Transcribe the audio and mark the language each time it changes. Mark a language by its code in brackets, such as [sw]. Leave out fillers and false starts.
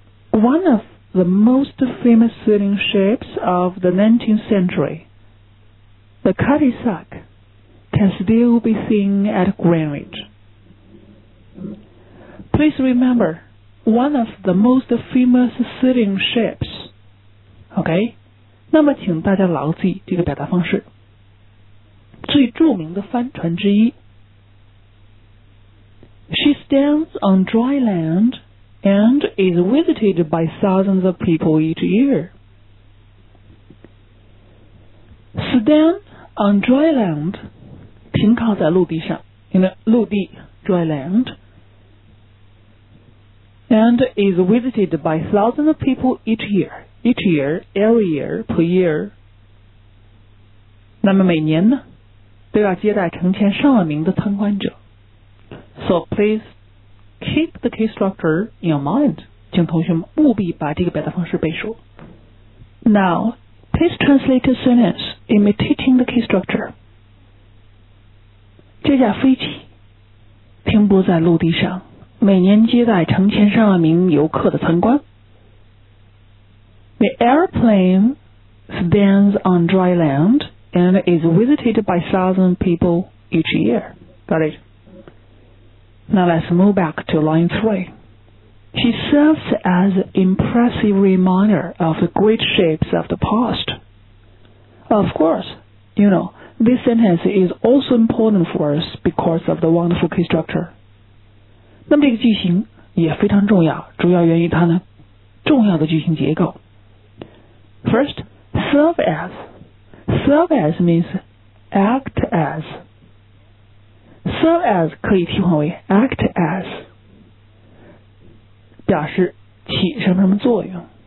[en] One of the most famous sailing ships of the 19th century, the Cadillac, can still be seen at Greenwich. Please remember, one of the most famous sailing ships. OK? [zh] 那么请大家牢记这个表达方式。最著名的帆船之一。 [en] She stands on dry land and is visited by thousands of people each year. Stand on dry land, [zh] 停靠在陆地上。 [en] You know, 陆地 dry land. And is visited by thousands of people each year. Each year, every year, per year. [zh] 那么每年呢，都要接待成千上万名的参观者。 [en] So please keep the key structure in your mind. [zh] 请同学们务必把这个表达方式背熟。 [en] Now, please translate the sentence imitating the key structure. [zh] 这架飞机停泊在陆地上。每年接待成千上万名游客的参观。 [en] The airplane stands on dry land and is visited by thousand people each year. Got it? Now let's move back to line 3. She serves as an impressive reminder of the great ships of the past. Of course, you know, this sentence is also important for us because of the wonderful key structure. [zh] 那么这个句型也非常重要，主要源于它呢重要的句型结构。 [en] First, serve as. Serve as means act as. [zh] Serve as 可以替换为 act as, 表示起什么什么作用。